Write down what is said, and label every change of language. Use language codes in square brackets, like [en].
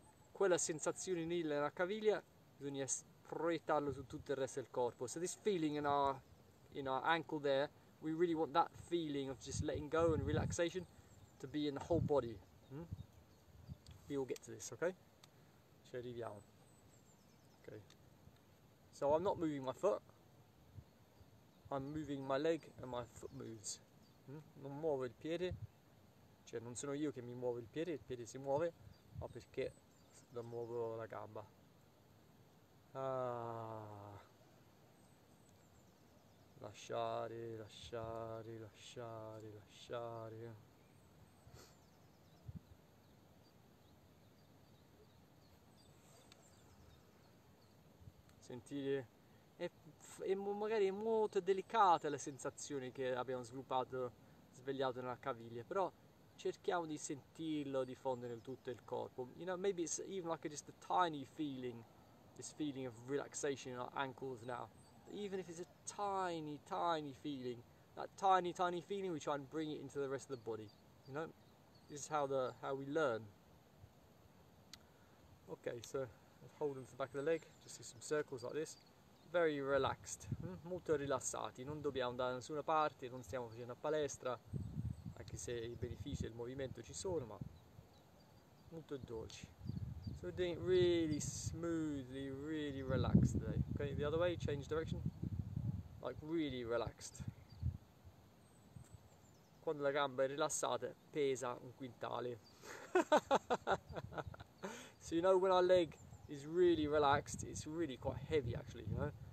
[it] Quella sensazione lì nella caviglia, bisogna proiettarlo su tutto il resto del corpo. [en] So this feeling in our, ankle there, we really want that feeling of just letting go and relaxation to be in the whole body. We will get to this, okay? [it] Ci arriviamo. [en] Okay. So I'm not moving my foot. I'm moving my leg and my foot moves. [it] Non muovo il piede. Cioè non sono io che mi muovo il piede si muove, ma perché lo muovo la gamba. Ah. Lasciare, lasciare, lasciare, lasciare. Sentire, è magari molto delicata la sensazione che abbiamo sviluppato, svegliato nella caviglia, però cerchiamo di sentirlo diffondere in tutto il corpo. [en] You know, maybe it's even like just a tiny feeling, this feeling of relaxation in our ankles now. Even if it's a tiny, tiny feeling, that tiny, tiny feeling, we try and bring it into the rest of the body. You know, this is how how we learn. Okay, so. Holding for the back of the leg, just do some circles like this. Very relaxed, [it] molto rilassati, non dobbiamo andare da nessuna parte, non stiamo facendo a palestra, anche se i benefici del movimento ci sono, ma molto dolci. [en] So doing it really smoothly, really relaxed today. Okay, the other way, change direction. Like really relaxed. [it] Quando la gamba è rilassata, pesa un quintale. [en] So you know when our leg is really relaxed, it's really quite heavy actually, you know?